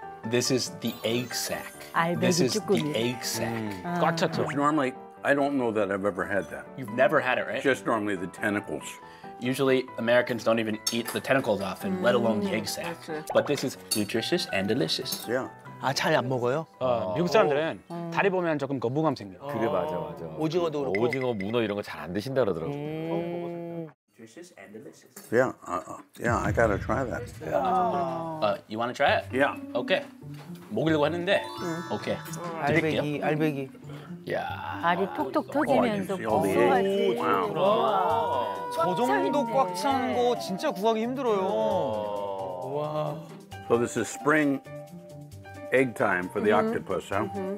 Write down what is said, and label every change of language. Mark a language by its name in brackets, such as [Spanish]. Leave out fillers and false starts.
[English] This is the egg sac. This is [Korean] 쭈꾸미. [English] The egg sac. 꽈차토. Normally. I don't know that I've ever had that. You've never had it, right? Just normally the tentacles. Usually Americans don't even eat the tentacles often, let alone the egg sac. But this is nutritious and delicious. Yeah. [Korean] 아, 잘 안 먹어요? 미국 사람들은 다리 보면 조금 거부감 생겨. 그래, 맞아. 오징어도 그렇고. 오징어, 문어 이런 거 잘 안 드신다 그러더라고. [English] Nutritious and delicious. Yeah, I gotta try that. Yeah. You wanna try it? Yeah. Okay. [Korean] 먹으려고 했는데. [English] Okay. [Korean] 알배기. [English] Yeah. [Korean] 알이 톡톡 터지면서 고소하지. 저 정도 꽉 찬 거 진짜 구하기 힘들어요. 와. [English] So this is spring egg time for the octopus, huh?